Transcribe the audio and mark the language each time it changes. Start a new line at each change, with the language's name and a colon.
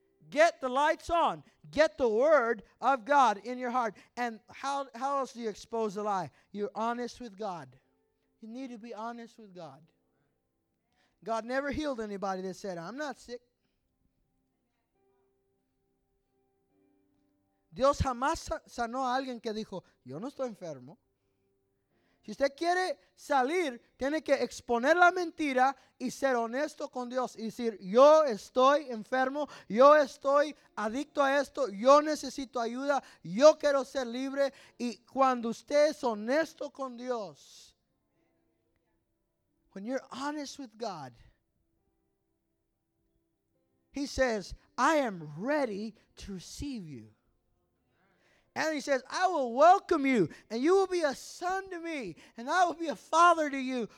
English: Get the lights on. Get the Word of God in your heart. And how else do you expose the lie? You're honest with God. You need to be honest with God. God never healed anybody that said, I'm not sick.
Spanish: Dios jamás sanó a alguien que dijo, yo no estoy enfermo. Si usted quiere salir, tiene que exponer la mentira y ser honesto con Dios y decir, yo estoy enfermo, yo estoy adicto a esto, yo necesito ayuda, yo quiero ser libre.
English: Y cuando usted es honesto con Dios, when you're honest with God, He says, I am ready to receive you. And He says, I will welcome you, and you will be a son to me, and I will be a father to you.